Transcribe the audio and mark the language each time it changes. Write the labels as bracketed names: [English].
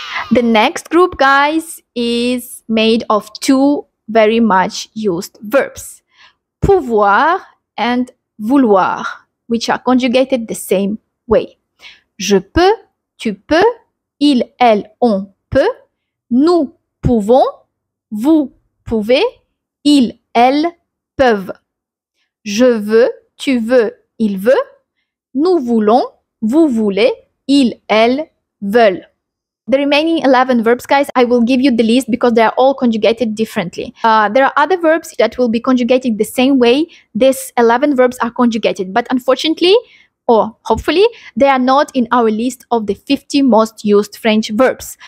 [English] The next group, guys, is made of two very much used verbs, pouvoir and vouloir, which are conjugated the same way. [French] Je peux, tu peux, il, elle, on peut, nous pouvons, vous pouvez, ils, elles peuvent. Je veux, tu veux, il veut, nous voulons, vous voulez, ils, elles veulent. [English] The remaining 11 verbs, guys, I will give you the list because they are all conjugated differently. There are other verbs that will be conjugated the same way these 11 verbs are conjugated. But unfortunately, or hopefully, they are not in our list of the 50 most used French verbs.